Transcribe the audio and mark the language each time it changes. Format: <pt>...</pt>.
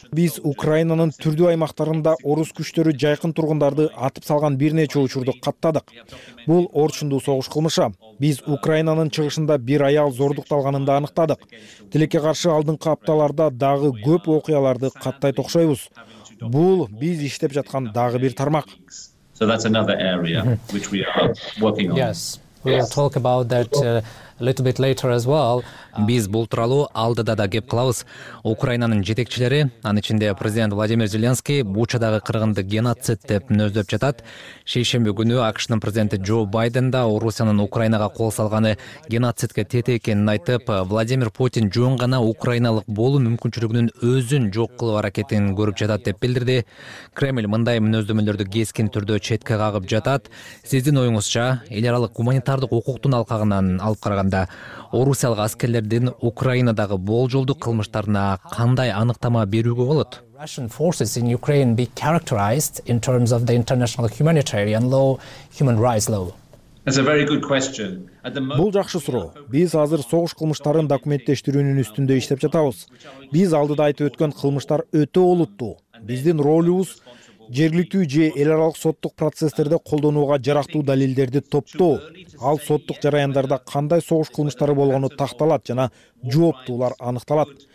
<ky>Биз Украинанын түрдүү аймактарында орус күчтөрү жайкын тургундарды атып салган бир нече учурду каттадык. Бул орчундуу согуш кылмышы. Биз Украинанын чыгышында бир аял зордукталганын да аныктадык. Тилекке каршы алдыңкы апталарда дагы көп окуяларды каттайт окшойбуз. Бул биз иштеп жаткан дагы бир тармак.</ky> <en>So that's another area which we are working on. Yes. We'll talk about that a little bit later as well.</en> <ky>Биз бул тууралуу алдыда да кеп кылабыз. Украинанын жетекчилери, анын ичинде президент Владимир Зеленский Бучадагы кыргынды геноцид деп мүнөздөп жатат. Шейшемби күнү АКШнын президенти Джо Байден да Орусиянын Украинага кол салганы геноцидке тети экенин айтып, Владимир Путин жөн гана украиналык болуу мүмкүнчүлүгүнүн өзүн жок кылуу аракетин көрүп жатат деп билдирди. Кремль мындай мүнөздөмөлөрдү кескин түрдө четке кагып жатат. Сиздин оюңузча, эл аралык гуманитардык укуктун алкагынан алып караганда орусиялык аскерлердин Украинадагы болжолдуу кылмыштарына кандай аныктама берүүгө болот?</ky> <en>Russian forces in Ukraine be characterized in terms of the international humanitarian law, human rights law. That's a very good question.</en> <ky>Бул жакшы суроо. Биз азыр согуш кылмыштарын документтештирүүнүн үстүндө иштеп жатабыз. Биз алдыда айтып өткөн кылмыштар өтө олуттуу. Биздин ролубуз жергиликтүү же эл аралык соттук процесстерде колдонууга жарактуу далилдерди топтоо, ал соттук жараяндарда кандай согуш кылмыштары болгону такталат жана жооптуулар аныкталат.</ky>